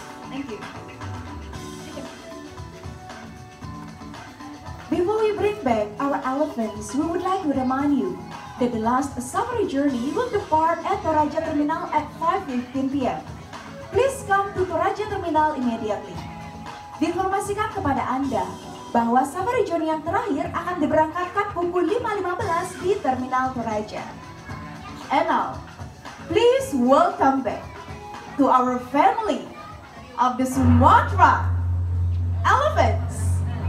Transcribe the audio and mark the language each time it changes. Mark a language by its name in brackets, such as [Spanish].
[English] Thank you. Before we bring back our elephants, we would like to remind you that the last safari journey will depart at Toraja Terminal at 5:15 PM. Please come to Toraja Terminal immediately. [Indonesian] Diinformasikan kepada Anda bahwa [English] safari journey [Indonesian] yang terakhir akan diberangkatkan pukul 5:15 di Terminal Toraja. [English] And now, please welcome back to our family of the Sumatra elephants.